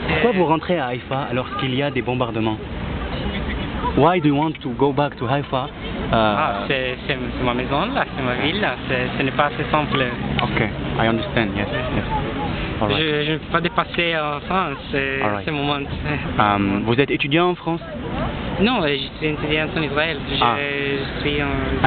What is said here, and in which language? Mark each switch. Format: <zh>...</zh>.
<fr>Pourquoi vous rentrez à Haïfa alors qu'il y a des bombardements?</fr> <en>Why do you want to go back to Haïfa?</en> <fr>C'est ma maison là, c'est ma ville là, ce n'est pas assez simple.</fr> <en>Ok, I understand, yes. All right.</en> <fr>Je ne vais pas dépasser en France, right. Ce moment. Vous êtes étudiant en France? Non, je suis étudiant en Israël. Je suis en...</fr>